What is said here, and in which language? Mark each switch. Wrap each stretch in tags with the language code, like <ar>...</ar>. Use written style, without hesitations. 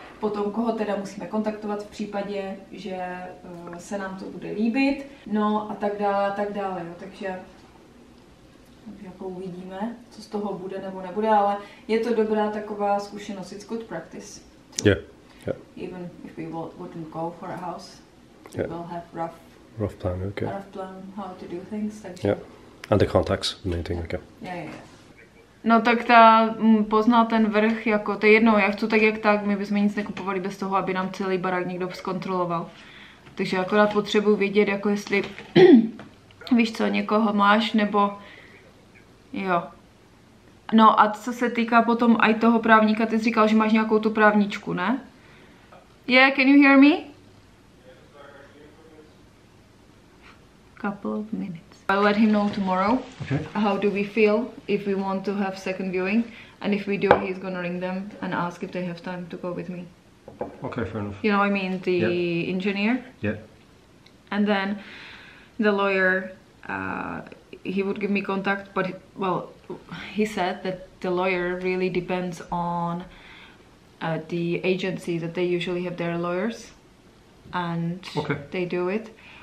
<cs>Potom, koho teda musíme kontaktovat v případě, že se nám to bude líbit, no a tak dále, jo. Takže jako uvidíme, co z toho bude nebo nebude, ale je to dobrá taková zkušenost,</cs> <en>it's good practice. Yeah, yeah. Even if we wouldn't go for a house, we will have rough plan, okay. Rough plan how to do things,</en> <cs>takže.</cs> <en>Yeah, and the contacts, meeting, okay. Yeah.</en> <cs>No tak ta pozná ten vrch, jako to je jedno, já chci tak jak tak, my bychom nic nekupovali bez toho, aby nám celý barák někdo zkontroloval. Takže akorát potřebuji vědět, jako jestli víš co, někoho máš, nebo jo. No a co se týká potom aj toho právníka, ty jsi říkal, že máš nějakou tu právničku, ne?</cs> <en>Yeah, can you hear me? couple of minutes. I'll let him know tomorrow. Okay. How do we feel if we want to have second viewing? And if we do, he's gonna ring them and ask if they have time to go with me. Okay, fair enough. You know what I mean? The engineer? Yeah. And then the lawyer, he would give me contact, but he said that the lawyer really depends on the agency, that they usually have their lawyers and they do it.</en>